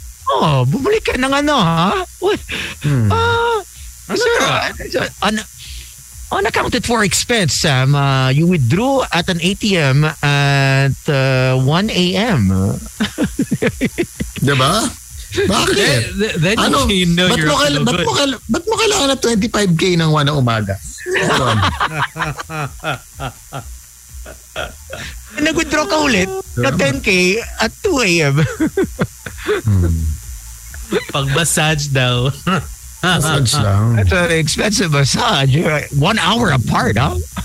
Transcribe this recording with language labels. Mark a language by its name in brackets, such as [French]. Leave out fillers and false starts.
[Filipino] Oh, bumalik ka ng ano ha? What? [English] Unaccounted for expense, Sam. You withdrew at an ATM at 1 a.m. [Filipino] Diba? Bakit? [English] Then ano, you know you're so good. [Filipino] Ba't mo kailangan na 25K ng 1 na umaga? Nag-withdraw ka ulit na 10K at 2 a.m. Pag-massage daw. [English] That's an expensive massage. You're like 1 hour apart, huh?